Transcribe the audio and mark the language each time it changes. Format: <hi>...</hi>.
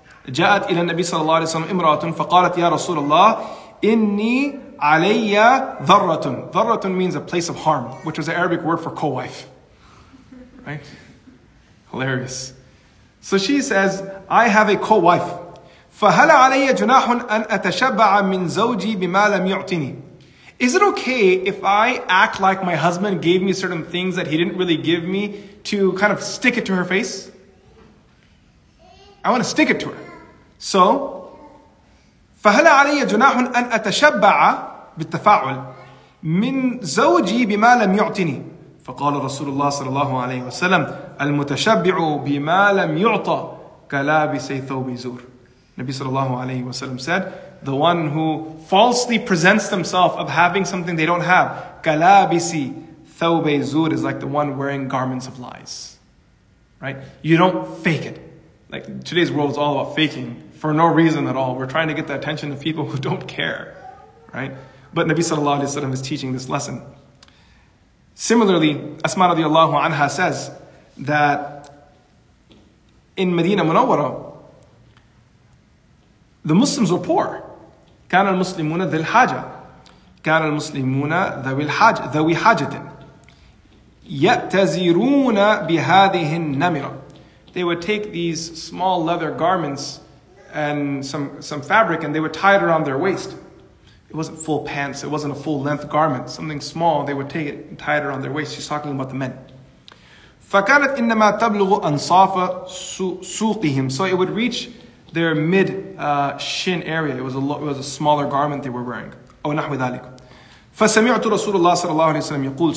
<ar>جاءت إلى النبي صلى الله عليه وسلم امرأة فقالت يا رسول الله إني علي ذرة.</ar> <en>ذرة means a place of harm, which was the Arabic word for co-wife. Right? Hilarious. So she says, I have a co-wife.</en> <ar>فهل علي جناح أن أتشبع من زوجي بما لم يعطني.</ar> <en>Is it okay if I act like my husband gave me certain things that he didn't really give me to kind of stick it to her face? I want to stick it to her.</en> <ar>So, فهل علي جناح أن أتشبع بالتفاعل من زوجي بما لم يعطني. فقال رسول الله صلى الله عليه وسلم المتشبع بما لم يعطى كلابس ثوب زور. نبي صلى الله عليه وسلم</ar> <en>said, the one who falsely presents themselves of having something they don't have. Kalabisi thawbay zur is like the one wearing garments of lies. Right? You don't fake it. Like, today's world is all about faking for no reason at all. We're trying to get the attention of people who don't care. Right? But Nabi sallallahu alayhi wa sallam is teaching this lesson. Similarly, Asma radiallahu anha says that in Medina Munawwara, the Muslims were poor.</en> <ar>كان المسلمون ذوي الحاجة. كان المسلمون ذوي حاجة. يأتزرون بهذه النمرة.</ar> <en>They would take these small leather garments and some fabric, and they would tie it around their waist. It wasn't full pants. It wasn't a full length garment. Something small. They would take it and tie it around their waist. She's talking about the men.</en> <ar>فكانت إنما تبلغ أنصاف سوقهم.</ar> <en>So it would reach their mid shin area. It was a smaller garment they were wearing.</en> <ar>أو نحو ذلك. فسمعت رسول الله صلى الله عليه وسلم يقول.</ar>